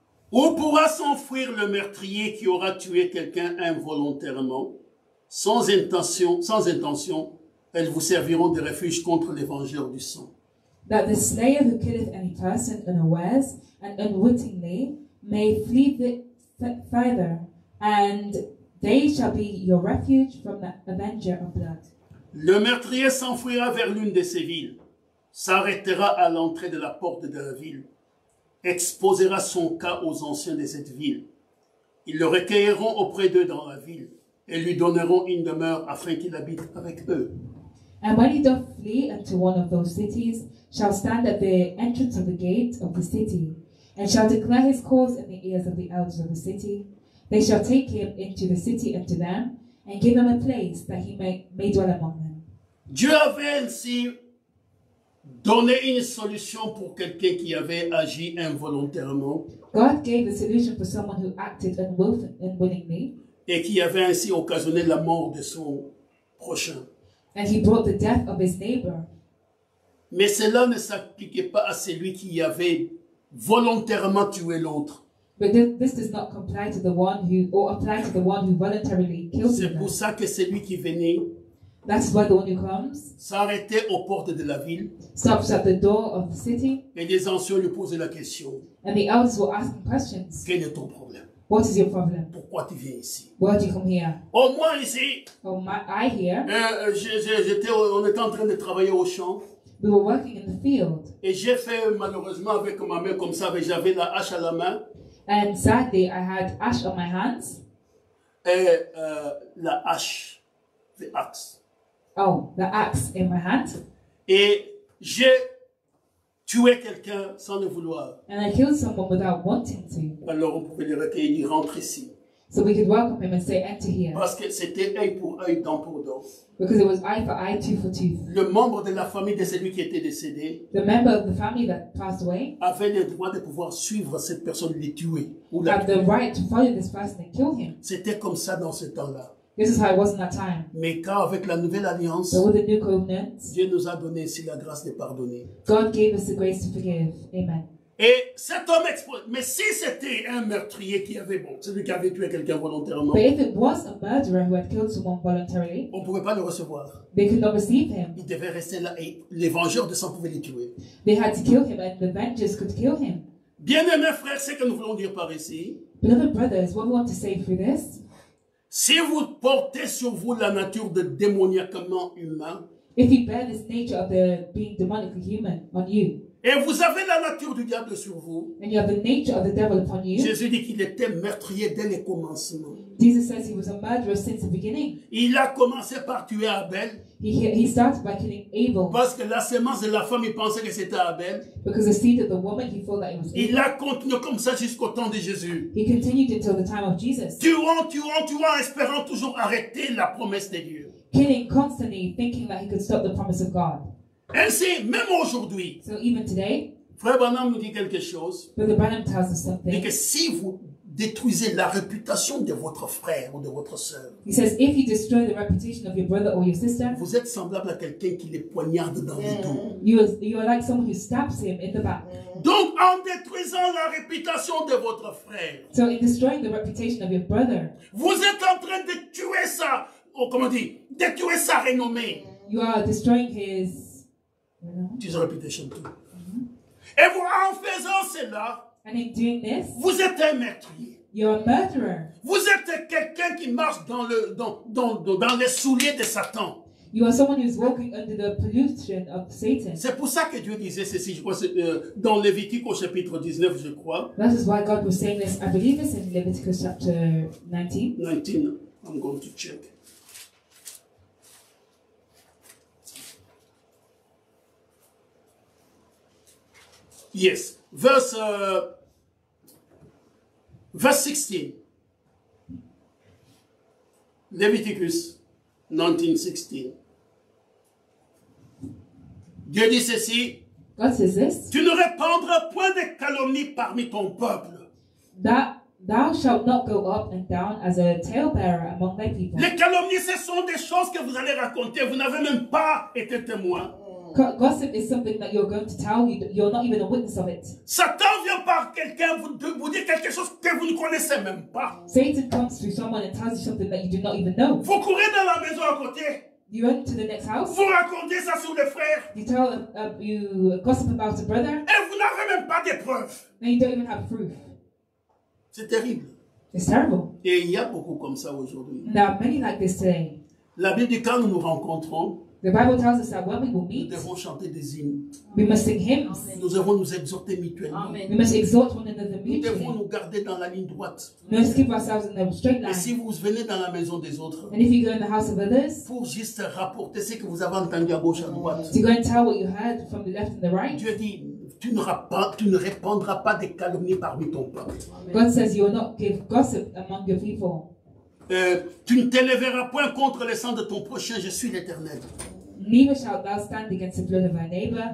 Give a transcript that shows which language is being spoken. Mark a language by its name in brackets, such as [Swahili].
[French] Où pourra s'enfuir le meurtrier qui aura tué quelqu'un involontairement, sans intention, elles vous serviront de refuge contre les vengeurs du sang. [English] That the slayer who killeth any person unawares and unwittingly may flee thither, and they shall be your refuge from the avenger of blood. [French] Le meurtrier s'enfuira vers l'une de ces villes, s'arrêtera à l'entrée de la porte de la ville, exposera son cas aux anciens de cette ville. Ils le recueilleront auprès d'eux dans la ville et lui donneront une demeure afin qu'il habite avec eux. [English] And when he doth flee unto one of those cities, shall stand at the entrance of the gate of the city, and shall declare his cause in the ears of the elders of the city. They shall take him into the city unto them, and give him a place that he may dwell among them. [French] Dieu avait ainsi donné une solution pour quelqu'un qui avait agi involontairement. [English] God gave a solution for someone who acted unwillingly, [French] et qui avait ainsi occasionné la mort de son prochain. [English] And he brought the death of his neighbor. [French] Mais cela ne s'appliquait pas à celui qui avait volontairement tué l'autre. [English] But this does not comply to the one who, or apply to the one who voluntarily killed [French] him. C'est pour ça que celui qui venait, [English] that's why the one who comes, [French] s'arrêtait aux portes de la ville, [English] stops at the door of the city, [French] et les anciens lui posaient la question, [English] and the elders were asking questions. [French] Quel est ton problème? [English] What is your problem? [French] Pourquoi tu viens ici? [English] Why do you come here? [French] Au moins ici. [English] Oh, my, I here. [French] On était en train de travailler au champ. [English] We were working in the field. [French] Et j'ai fait malheureusement avec ma main comme ça, mais j'avais la hache à la main. [English] And sadly, I had ash on my hands. [French] Et la hache, [English] the axe. Oh, the axe in my hand. [French] Et j'ai tué quelqu'un sans le vouloir. [English] And I killed someone without wanting to. [French] Alors on pouvait dire qu'il rentre ici. [English] So we could welcome him and say, enter here. [French] Parce que c'était œil pour œil, dent pour dent. [English] Because it was eye for eye, tooth for tooth. [French] Le membre de la famille de celui qui était décédé. [English] The member of the family that passed away. [French] Avait le droit de pouvoir suivre cette personne et le tuer ou la tuer. [English] Had the right to follow this person and kill him. [French] C'était comme ça dans ce temps-là. [English] This is how it was in that time. [French] Mais quand avec la nouvelle alliance. [English] But with the new covenant. [French] Dieu nous a donné ici la grâce de pardonner. [English] God gave us the grace to forgive. Amen. [French] Et cet homme mais si c'était un meurtrier qui avait celui qui avait tué quelqu'un volontairement. [English] But if it was a murderer who had killed someone voluntarily. [French] On pouvait pas le recevoir. [English] They could not receive him. [French] Il devait rester là et les vengeurs de sang pouvaient le tuer. [English] They had to kill him and the vengeurs could kill him. [French] Bien-aimés frères, ce que nous voulons dire par ici. [English] Beloved brothers, what we want to say through this. [French] Si vous portez sur vous la nature de démoniaquement humain. [English] If you bear this nature of the being demonically human on you. [French] Et vous avez la nature du diable sur vous. [English] And you have the nature of the devil upon you. [French] Jésus dit qu'il était meurtrier dès le commencement. [English] Jesus says he was a murderer since the beginning. [French] Il a commencé par tuer Abel. [English] He started by killing Abel. [French] Parce que la semence de la femme, il pensait que c'était Abel. [English] Because the seed of the woman, he thought that it was Abel. [French] Il a continué comme ça jusqu'au temps de Jésus. [English] He continued until the time of Jesus. [French] Tuant, espérant toujours arrêter la promesse de Dieu. [English] Killing constantly, thinking that he could stop the promise of God. [French] Ainsi, même aujourd'hui, [English] so even today, [French] Frère Branham nous dit quelque chose. [English] Brother Branham tells us something. [French] Et que si vous détruisez la réputation de votre frère ou de votre sœur, [English] he says, if you destroy the reputation of your brother or your sister, [French] vous êtes semblable à quelqu'un qui les poignarde dans le dos. [English] You are like someone who stabs him in the back. [French] Donc, en détruisant la réputation de votre frère, [English] so in destroying the reputation of your brother, [French] vous êtes en train de tuer sa, détruire sa renommée. [English] You are destroying his. [French] Mm-hmm. Et vous, en faisant cela, [English] and in doing this, [French] vous êtes un meurtrier. [English] You're a murderer. [French] Vous êtes quelqu'un qui marche dans les souliers de Satan. [English] You are someone who's walking under the pollution of Satan. [French] C'est pour ça que Dieu disait ceci, je crois, dans Lévitique au chapitre 19, je crois. [English] That is why God was saying this. I believe it's in Leviticus chapter 19. I'm going to check. Yes, verse 16, Leviticus 19:16. [French] Dieu dit ceci. [English] God says this. [French] Tu ne répandras point de calomnie parmi ton peuple. [English] That thou shalt not go up and down as a talebearer among thy people. [French] Les calomnies, ce sont des choses que vous allez raconter. Vous n'avez même pas été témoin. [English] Gossip is something that you're going to tell. You're not even a witness of it. [French] Satan vient par quelqu'un vous dire quelque chose que vous ne connaissez même pas. [English] Satan comes through someone and tells you something that you do not even know. [French] Vous courez dans la maison à côté. [English] You run to the next house. [French] Vous racontez ça sur le frère. [English] You tell you gossip about a brother. [French] Et vous n'avez même pas de preuves. [English] And you don't even have proof. [French] C'est terrible. [English] It's terrible. [French] Et il y a beaucoup comme ça aujourd'hui. [English] There are many like this today. [French] La Bible dit quand nous nous rencontrons. [English] The Bible tells us that when we will meet, [French] nous devons chanter des hymnes. [English] We must sing hymns. [French] Nous devons nous exhorter mutuellement. [English] Amen. We must exhort one another mutually. [French] Nous devons nous garder dans la ligne droite. [English] We must keep ourselves in the straight line. [French] Et si vous venez dans la maison des autres, [English] and if you go in the house of others, [French] pour juste rapporter ce que vous avez entendu à gauche, à droite, [English] to go and tell what you heard from the left and the right, [French] Dieu dit, tu ne répandras pas des calomnies parmi ton peuple. [English] God says you will not give gossip among your people. [French] Tu ne t'élèveras point contre le sang de ton prochain, je suis l'Éternel. [English] Neither shalt thou stand against the blood of thy neighbor,